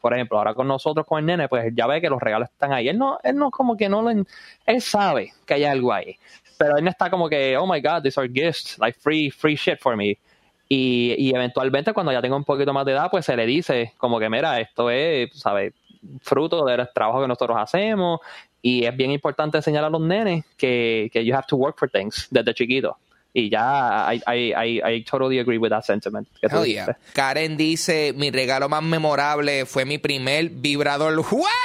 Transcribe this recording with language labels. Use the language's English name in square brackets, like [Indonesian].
[Spanish] Por ejemplo, ahora con nosotros, con el nene, pues ya ve que los regalos están ahí, él no como que no lo, él sabe que hay algo ahí, pero él no está como que, [English] oh my god, these are gifts, like free shit for me. [Spanish] Y eventualmente, cuando ya tenga un poquito más de edad, pues se le dice como que, mira, esto es, ¿sabes?, fruto del trabajo que nosotros hacemos. Y es bien importante enseñar a los nenes que [English] you have to work for things [Spanish] desde chiquito. Y ya, [English] I totally agree with that sentiment. Hell yeah. [Spanish] Karen dice, mi regalo más memorable fue mi primer vibrador. ¡Wow!